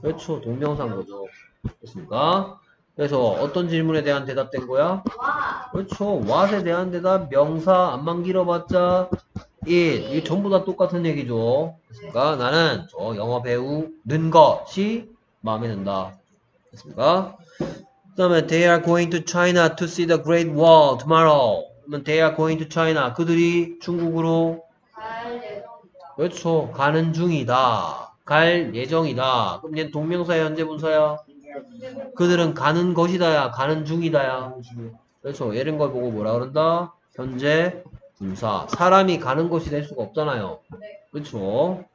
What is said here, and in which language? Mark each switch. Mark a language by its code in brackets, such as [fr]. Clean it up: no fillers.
[ko] 그렇죠. 동명사인 거죠. 됐습니까? 그래서 어떤 질문에 대한 대답된 거야? [en] What. [ko] 그렇죠. What에 대한 대답, 명사, 앞만 길어봤자 it. 이게 전부 다 똑같은 얘기죠. 그러니까 나는 저 영어 배우는 것이 마음에 든다. 그렇습니까? 그 다음에 [en] they are going to China to see the Great Wall tomorrow. 그러면 they are going to China. [ko] 그들이 중국으로 갈 예정이다. 그렇죠. 가는 중이다. 갈 예정이다. 그럼 얘는 동명사야, 현재분사야? 그들은 가는 것이다야, 가는 중이다야. 그래서 이런 걸 보고 뭐라 그런다? 현재 분사. 사람이 가는 곳이 될 수가 없잖아요. 그렇죠?